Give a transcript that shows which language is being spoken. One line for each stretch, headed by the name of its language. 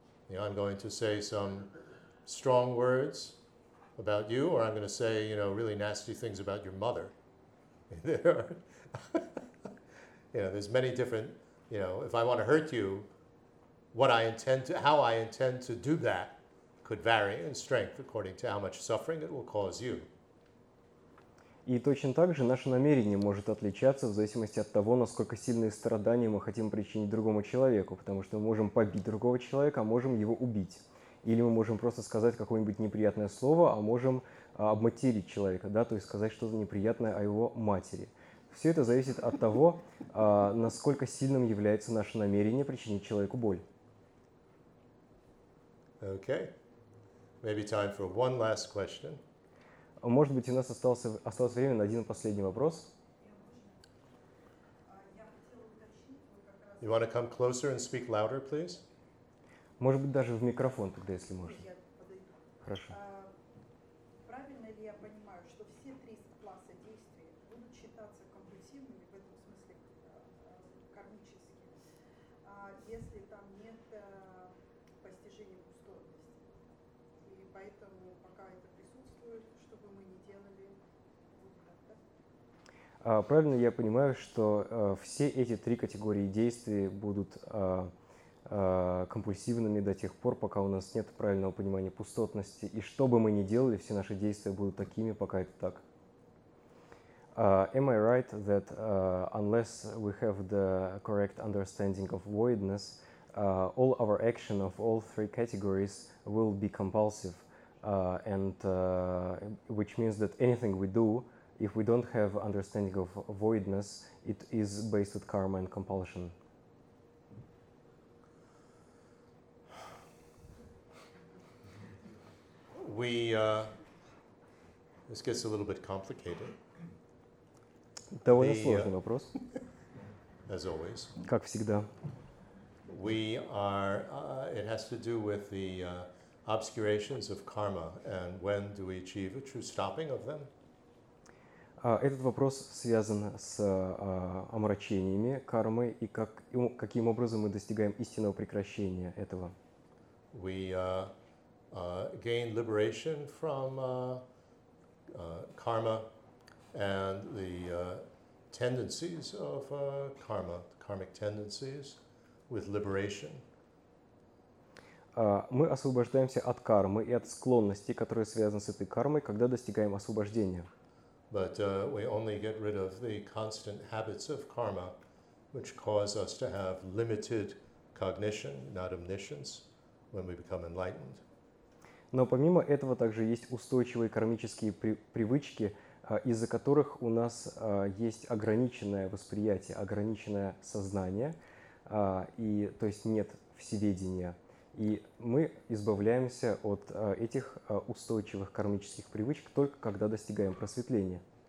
English: You know, I'm going to say some strong words about you, or I'm going to say, you know, really nasty things about your mother. There are, you know, there's many different, you know, if I want to hurt you, what I intend to, how I intend to do that could vary in strength according to how much suffering it will cause you.
Russian: И точно так же наше намерение может отличаться в зависимости от того, насколько сильные страдания мы хотим причинить другому человеку, потому что мы можем побить другого человека, а можем его убить. Или мы можем просто сказать какое-нибудь неприятное слово, а можем обматерить человека, да, то есть сказать что-то неприятное о его матери. Все это зависит от того, насколько сильным является наше намерение причинить человеку боль.
English: Okay. Maybe time for one last question.
Russian: Может быть, у нас осталось время на один последний вопрос.
English: You want to come closer and speak louder, please?
Russian: Может быть, даже в микрофон тогда, если можно. Хорошо. Правильно ли я понимаю, что все три класса действий будут считаться компульсивными, в этом смысле кармическими, если там нет постижения устойчивости? И поэтому пока это присутствует, чтобы мы не делали выхода? Правильно ли я понимаю, что все эти три категории действий будут компульсивными до тех пор, пока у нас нет правильного понимания пустотности, и что бы мы ни делали, все наши действия будут такими, пока это так.
English: Am I right that unless we have the correct understanding of voidness, all our action of all three categories will be compulsive, and which means that anything we do, if we don't have understanding of voidness, it is based with karma and compulsion. This gets a little bit complicated.
Russian: Довольно сложный вопрос.
English: As always.
Russian: Как всегда.
English: We are. It has to do with the obscurations of karma, and when do we achieve a true stopping of them?
Russian: Этот вопрос связан с омрачениями кармы и каким образом мы достигаем истинного прекращения этого.
English: We. Gain liberation from karma and the tendencies of karma, karmic tendencies, with liberation.
Russian: Мы освобождаемся от кармы и от склонностей, которые связаны с этой кармой, когда достигаем освобождения.
English: But we only get rid of the constant habits of karma, which cause us to have limited cognition, not omniscience, when we become enlightened.
Russian: Но помимо этого также есть устойчивые кармические привычки, из-за которых у нас есть ограниченное восприятие, ограниченное сознание, и, то есть нет всеведения. И мы избавляемся от этих устойчивых кармических привычек только когда достигаем просветления.